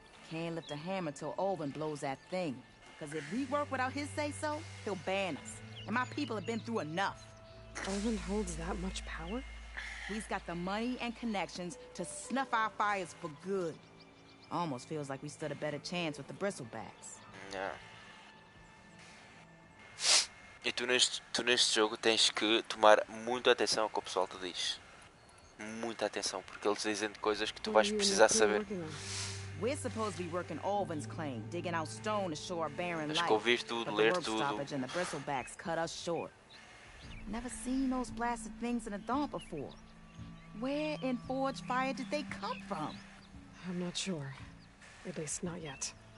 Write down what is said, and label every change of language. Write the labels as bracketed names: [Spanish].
[English] Can't lift a hammer till Olvin blows that thing. Cause if we work without his say-so, he'll ban us. And my people have been through enough. Olvin holds that much power? He's got the money and connections to snuff our fires for good. Almost feels like we stood a better chance with the bristlebacks. Yeah. [Portuguese] E tu neste jogo tens que tomar muita atenção ao que o pessoal te diz. Muita atenção, porque eles dizem coisas que tu vais precisar saber. [English] We're supposed to be working Olvin's claim, digging out stone to show our barren life. [Portuguese] Acho que ouvis tudo, ler tudo. [English] And the bristlebacks cut us short. Never seen those blasted things in a dump before. Where in Forge Fire did they come from? I'm not sure. At least not yet.